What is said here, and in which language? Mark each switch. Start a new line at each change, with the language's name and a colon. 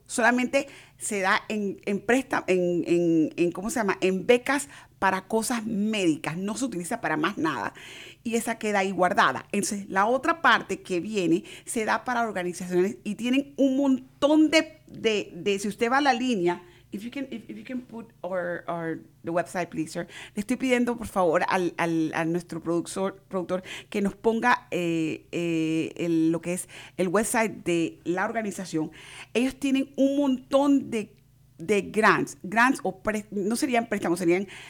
Spanish: Solamente se da en becas para cosas médicas. No se utiliza para más nada. Y esa queda ahí guardada. Entonces, la otra parte que viene se da para organizaciones, y tienen un montón de si usted va a la línea.
English: If you can put our the website, please, sir.
Spanish: Le estoy pidiendo, por favor, a nuestro productor que nos ponga lo que es el website de la organización. Ellos tienen un montón de grants o no serían préstamos, serían